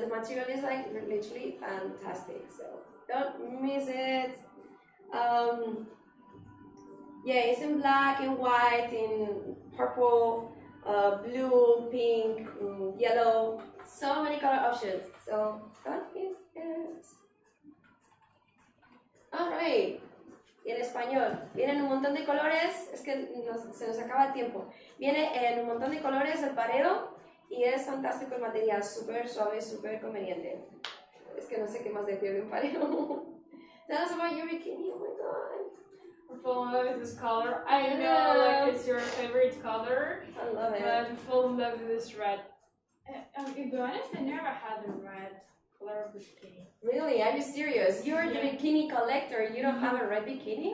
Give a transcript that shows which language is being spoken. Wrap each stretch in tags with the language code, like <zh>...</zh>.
<en>The material is like literally fantastic, so don't miss it. Yeah, it's in black and white, in purple, blue, pink, yellow. So many color options, so don't miss it. All right.</en> <es>Y en español, vienen un montón de colores. Es que se nos acaba el tiempo. Viene en un montón de colores el pareo. Y es fantástico el material, super suave, super conveniente. Es que no sé qué más decir de un pareo.</es> <en>Tell us about your bikini, oh my God. I'm falling in love with this color. I know, like, it's your favorite color. I love it. But I'm falling in love with this red. To be honest, I never had a red color of bikini. Really? Are you serious? You're the bikini collector, you don't have a red bikini?</en>